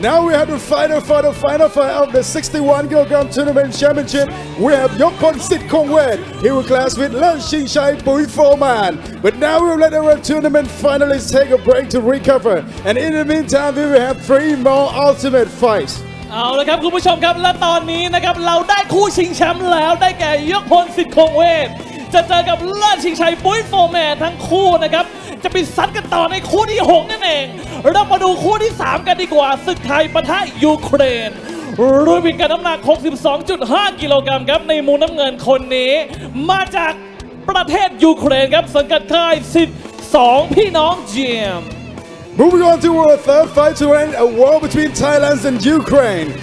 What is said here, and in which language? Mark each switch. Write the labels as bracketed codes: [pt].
[en] Now we have the final fight, the final fight of the 61kg tournament championship. We have Yokpon Sit Kong Wet. He will clash with Lan Xing Chai Pui 4-man. But now we will let our tournament finalists take a break to recover. And in the meantime, we will have three more ultimate fights. [th] เอาละครับคุณผู้ชมครับและตอนนี้นะครับเราได้คู่ชิงแชมป์แล้วได้แก่ยกพลสิทธิ์คงเวชจะเจอกับเลิศชิงชัยปุ้ยโฟร์แมนทั้งคู่นะครับจะไปซัดกันต่อในคู่ที่6นั่นเองเรามาดูคู่ที่3กันดีกว่าศึกไทยปะทะยูเครนรุ่นพิกัดน้ำหนัก 62.5 กิโลกรัมครับในมุมน้ำเงินคนนี้มาจากประเทศยูเครนครับสังกัดค่ายสิทธิ์2พี่น้องเจียม [en] Moving on to our third fight to end a war between Thailand and Ukraine.